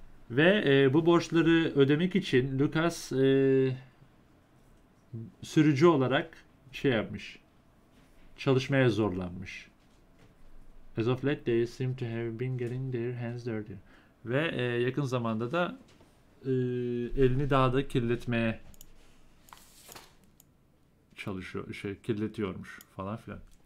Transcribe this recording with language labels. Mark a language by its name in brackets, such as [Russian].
[Turkish] Ve bu borçları ödemek için Lucas sürücü olarak şey yapmış. Çalışmaya zorlanmış. [English] As of late they seem to have been getting their hands dirty. [Turkish] Ve yakın zamanda da elini daha da kirletmeye çalışıyor, şey kirletiyormuş falan filan.